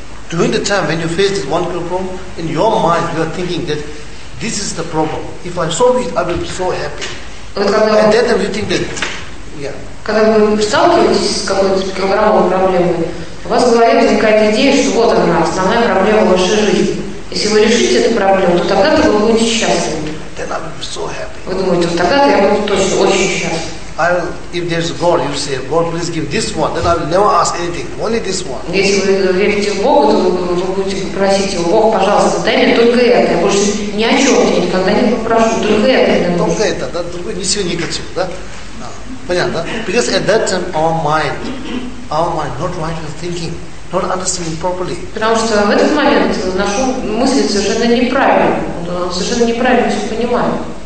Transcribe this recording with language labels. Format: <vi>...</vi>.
<en>During the time when you face this one problem, in your mind you are thinking that this is the problem. If I solve it, I will be so happy. And then you think that, yeah.</en> <ru>Когда вы сталкиваетесь с какой-то килограммовой проблемой, у вас в голове возникает идея, что вот она, основная проблема вашей жизни. Если вы решите эту проблему, то тогда-то вы будете счастливы.</ru> <en>Then I will be so happy.</en> <ru>Вы думаете, вот тогда-то я буду точно очень счастлив.</ru> <en>I'll, if there's God, you say, God, please give this one. Then I will never ask anything. Only this one.</en> <ru>Если вы верите в Бога, то вы будете просить его, Бог, пожалуйста, дай мне только это. Я больше ни о чем никогда не попрошу. Только это. Только это, да? Другой ничего не хочу, да? Понятно, да?</ru> <en>Because at that time our mind not right with thinking, not understanding properly.</en> <ru>Потому что в этот момент наш ум мыслит совершенно неправильно. Он совершенно неправильно все понимает.</ru>